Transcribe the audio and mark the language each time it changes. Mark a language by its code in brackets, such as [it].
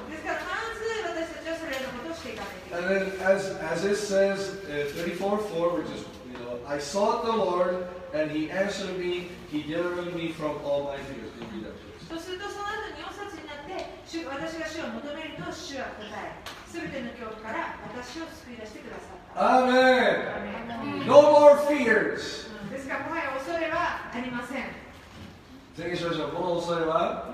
[ja] ですからまず私たちはそれのことをしていかないといけない。 [en] And then as it says, 34:4, which is, you know, I sought the Lord and He answered me, He delivered me from all my fears. [ja] そうするとその後に私が主を求めると主は答え、すべての恐怖から私を救い出してくださった。 [en] No more fears。 [ja] ですからもはや恐れはありません。宣言しましょう。この恐れは、